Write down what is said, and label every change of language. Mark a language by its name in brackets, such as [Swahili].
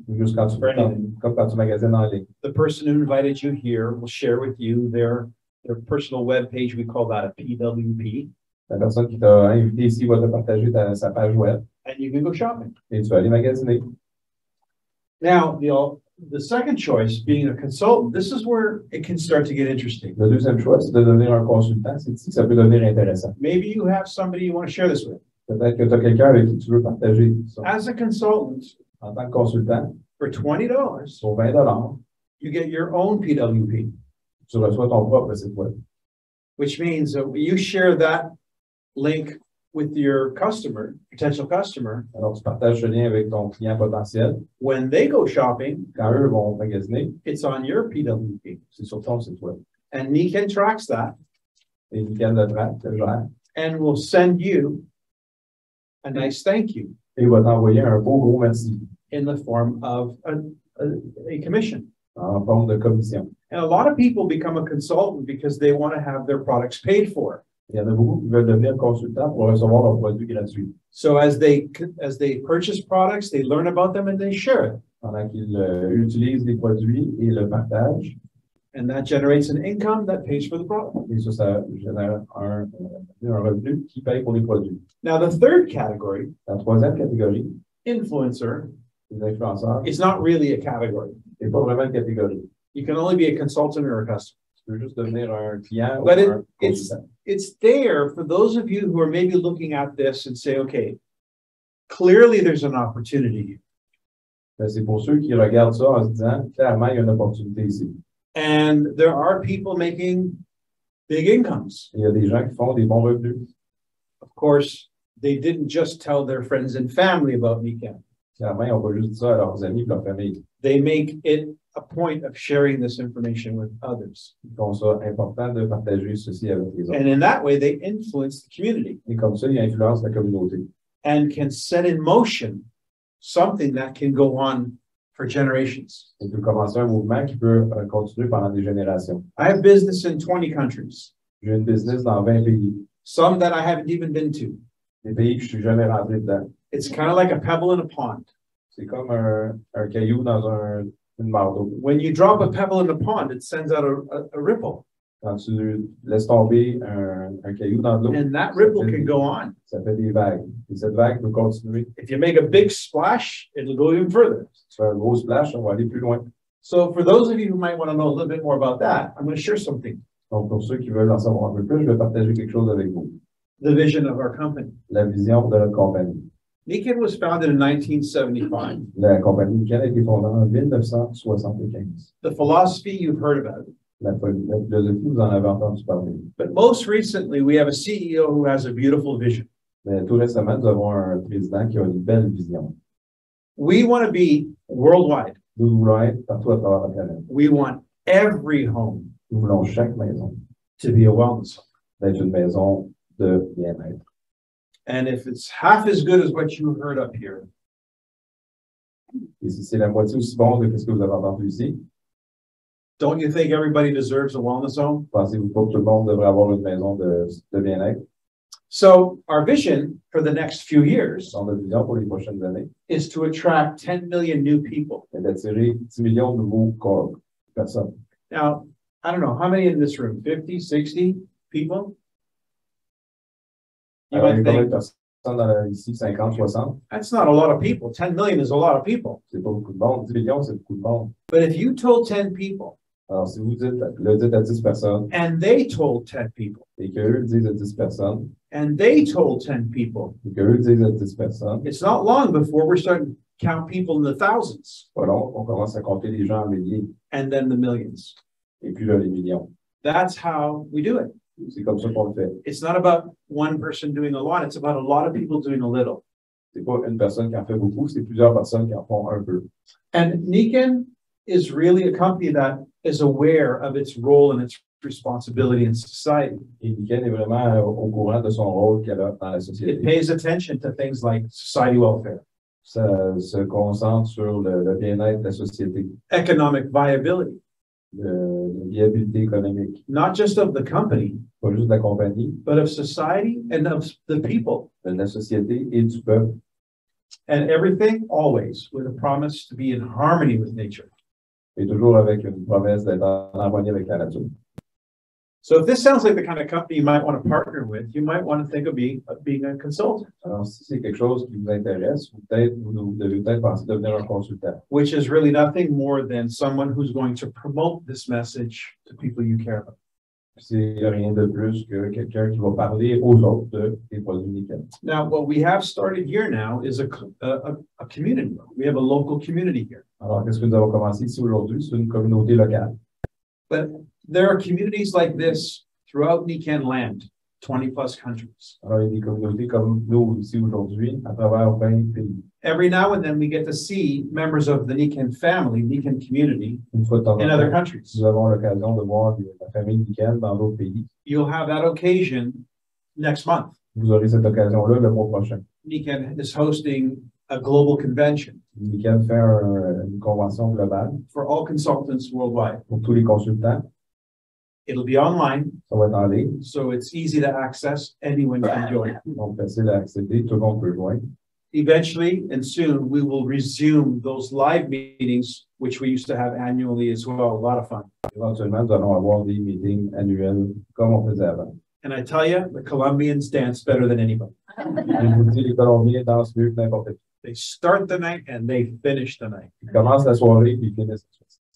[English] The person who invited you here will share with you their personal web page. We call that a PWP. [French] La personne qui t'a invité ici va te partager sa page web. [English] And you can go shopping. [French] Et tu vas aller magasiner. [English] Now, the second choice, being a consultant, this is where it can start to get interesting. [French] Le deuxième choix, c'est de devenir un consultant. C'est ici que ça peut devenir intéressant. [English] Maybe you have somebody you want to share this with. [French] Peut-être que tu as quelqu'un avec qui tu veux partager ça. [English] As a consultant, [French] en tant que consultant, [English] for $20, [French] pour $20, [English] you get your own PWP. [French] Tu reçois ton propre site web. [English] Which means that you share that link with your customer, potential customer. [French] Alors, tu partages le lien avec ton client potentiel. [English] When they go shopping, [French] quand eux vont magasiner, [English] it's on your PWP. [French] C'est sur ton site web. [English] And Nikon tracks that. [French] Et Nikon le traque, le gère. [English] And will send you a nice thank you. [French] Et il va t'envoyer un beau gros merci. [English] In the form of a commission. [French] En forme de commission. [English] And a lot of people become a consultant because they want to have their products paid for. [French] Il y en a beaucoup qui veulent devenir consultants pour recevoir leurs produits gratuits. [English] So as they purchase products, they learn about them and they share it. [French] Pendant qu'ils utilisent les produits et le partage. [English] And that generates an income that pays for the product. [French] Et ça génère un revenu qui paye pour les produits. [English] Now the third category. [French] La troisième catégorie. [English] Influencer. [French] Les influenceurs. [English] It's not really a category. [French] C'est pas vraiment une catégorie. [English] You can only be a consultant or a customer. [French] Juste devenir un client [English] but [French] ou [English] it, [French] un [English] it's there for those of you who are maybe looking at this and say, okay, clearly there's an opportunity. [French] Mais c'est pour ceux qui regardent ça en se disant, clairement, il y a une opportunité ici. [English] And there are people making big incomes. [French] Il y a des gens qui font des bons revenus. [English] Of course, they didn't just tell their friends and family about Nikon. [French] Clairement, on va juste ça à leurs amis et leur famille. [English] They make it a point of sharing this information with others. [French] Donc, ça, important de partager ceci avec les autres. [English] And in that way, they influence the community. [French] Et comme ça, ils influencent la communauté. [English] And can set in motion something that can go on for generations. [French] Et peut commencer un mouvement qui peut continuer pendant des générations. [English] I have business in 20 countries. [French] J'ai une business dans 20 pays. [English] Some that I haven't even been to. [French] Des pays que je suis jamais rentré dedans. [English] It's kind of like a pebble in a pond. [French] C'est comme un caillou dans un... [English] When you drop a pebble in the pond, it sends out a ripple. [French] Quand tu laisses tomber un caillou dans l'eau, [English] and that ripple can go on. [French] Ça fait des vagues. Et cette vague peut continuer. [English] If you make a big splash, it'll go even further. [French] Tu fais un gros splash, on va aller plus loin. [English] So for those of you who might want to know a little bit more about that, I'm going to share something. [French] Donc pour ceux qui veulent en savoir un peu plus, je vais partager quelque chose avec vous. [English] The vision of our company. [French] La vision de notre compagnie. [English] Nikon was founded in 1975. [French] La compagnie Nikon a été fondée en 1975. [English] The philosophy you've heard about. [French] La philosophie, vous en avez entendu parler. [English] But most recently, we have a CEO who has a beautiful vision. [French] Mais tout récemment, nous avons un président qui a une belle vision. [English] We want to be worldwide. [French] Nous voulons être partout à travers la planète. [English] We want every home. [French] Nous voulons chaque maison. [English] To be a wellness home. [French] D'être une maison de bien-être. [English] And if it's half as good as what you heard up here, [French] et si c'est la moitié aussi bon que ce que vous avez entendu ici, [English] don't you think everybody deserves a wellness home? [French] Pensez-vous pas que tout le monde devrait avoir une maison de bien-être? [English] So our vision for the next few years, [French] on a vision pour les prochaines années, [English] is to attract 10 million new people. [French] Et d'attirer 10 millions de nouveaux personnes. [English] Now, I don't know, how many in this room? 50, 60 people? That's not a lot of people. 10 million is a lot of people. [French] C'est pas beaucoup de monde. 10 millions, c'est beaucoup de monde. [English] But if you told 10 people, [French] alors, si vous dites, le dites à 10 personnes, [English] and they told 10 people, [French] et qu'eux disent à 10 personnes, [English] and they told 10 people, [French] et qu'eux disent à 10 personnes, [English] it's not long before we're starting to count people in the thousands. [French] Pardon, on commence à compter les gens en milliers. [English] And then the millions. [French] et plus vers les millions. [English] That's how we do it. [French] C'est comme ça qu'on le fait. [English] It's not about one person doing a lot, it's about a lot of people doing a little. [French] C'est pas une personne qui en fait beaucoup, c'est plusieurs personnes qui en font un peu. [English] And Nikon is really a company that is aware of its role and its responsibility in society. [French] Et Nikon est vraiment au courant de son rôle qu'elle a dans la société. [English] It pays attention to things like society welfare. [French] Ça se concentre sur le bien-être de la société. [English] Economic viability. [French] De viabilité économique. [English] Not just of the company, [French] pas juste de la compagnie, [English] but of society and of the people. [French] De la société et du peuple. [English] And everything always with a promise to be in harmony with nature. [French] Et toujours avec une promesse d'être en harmonie avec la nature. [English] So if this sounds like the kind of company you might want to partner with, you might want to think of being a consultant. [French] Alors, si c'est quelque chose qui vous intéresse, vous devez penser devenir un consultant. [English] Which is really nothing more than someone who's going to promote this message to people you care about. [French] C'est rien de plus que quelqu'un qui va parler aux autres de tes produits Nikon. [English] Now, what we have started here now is a community. We have a local community here. [French] Alors, qu'est-ce que nous avons commencé ici aujourd'hui? C'est une communauté locale. [English] But there are communities like this throughout Nikon land, 20 plus countries. [French] Alors, il y a des communautés comme nous ici aujourd'hui à travers 20 pays. [English] Every now and then, we get to see members of the Nikon family, Nikon community, in other countries. [French] Nous avons l'occasion de voir la famille Nikon dans d'autres pays. [English] You'll have that occasion next month. [French] Vous aurez cette occasion-là le mois prochain. [English] Nikon is hosting a global convention. [French] Nikon fait une convention globale. [English] For all consultants worldwide. [French] Pour tous les consultants. [English] It'll be online. [French] Ça va être en ligne. [English] So it's easy to access. Anyone can join. [French] Donc, facile à accéder. Tout le monde peut joindre. [English] Eventually and soon, we will resume those live meetings which we used to have annually as well. A lot of fun. [French] Éventuellement, nous allons avoir des meetings annuels comme on faisait avant. [English] And I tell you, the Colombians dance better than anybody. [French] Je vous dis, les Colombiens dansent mieux que n'importe qui. [English] They start the night and they finish the night. [French] Ils commencent la soirée et ils finissent la soirée.